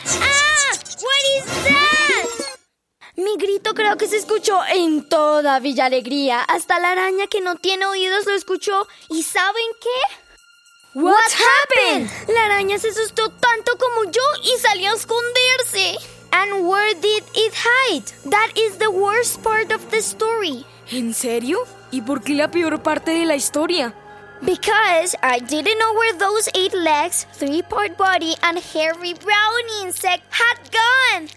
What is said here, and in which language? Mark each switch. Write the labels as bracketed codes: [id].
[en] ¡Ah! ¿What is that? [es] Mi grito creo que se escuchó en toda Villa Alegría. Hasta la araña que no tiene oídos lo escuchó. ¿Y saben qué? [en] ¿What happened? [es] La araña se asustó tanto como yo y salió a esconderse. [en] And where did it hide? That is the worst part of the story. [es] ¿En serio? ¿Y por qué la peor parte de la historia? [en] Because I didn't know where those 8 legs, 3-part body, and hairy brown insect had gone.